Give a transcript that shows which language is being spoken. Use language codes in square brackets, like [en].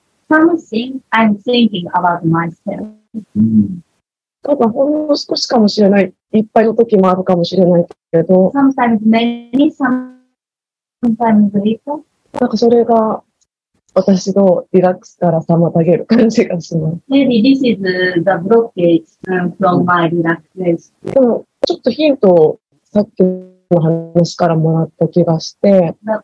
[en] Something I'm thinking about myself. [ja] ただほんの少しかもしれない。いっぱいの時もあるかもしれないけど。 [en] Sometimes many, sometimes little. [ja] なんかそれが私のリラックスから妨げる感じがします。 [en] Maybe this is the blockage from my relaxation. [ja] でもちょっとヒントをさっき。の話からもらった気がして。